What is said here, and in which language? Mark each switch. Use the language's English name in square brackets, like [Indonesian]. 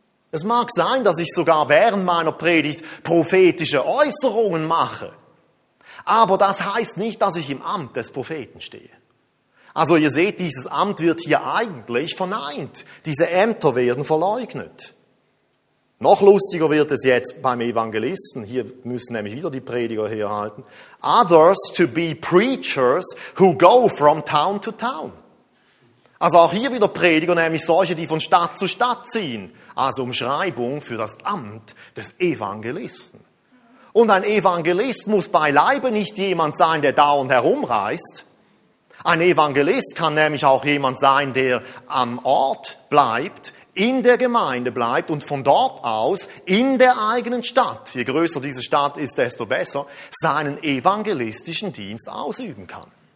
[German] Es mag sein, dass ich sogar während meiner Predigt prophetische Äußerungen mache, aber das heißt nicht, dass ich im Amt des Propheten stehe. Also ihr seht, dieses Amt wird hier eigentlich verneint. Diese Ämter werden verleugnet. Noch lustiger wird es jetzt beim Evangelisten. Hier müssen nämlich wieder die Prediger herhalten. [English] Others to be preachers who go from town to town. [German] Also auch hier wieder Prediger, nämlich solche, die von Stadt zu Stadt ziehen. Also Umschreibung für das Amt des Evangelisten. Und ein Evangelist muss beileibe nicht jemand sein, der dauernd herumreist. Ein Evangelist kann nämlich auch jemand sein, der am Ort bleibt, in der Gemeinde bleibt und von dort aus in der eigenen Stadt, je größer diese Stadt ist, desto besser, seinen evangelistischen Dienst ausüben kann.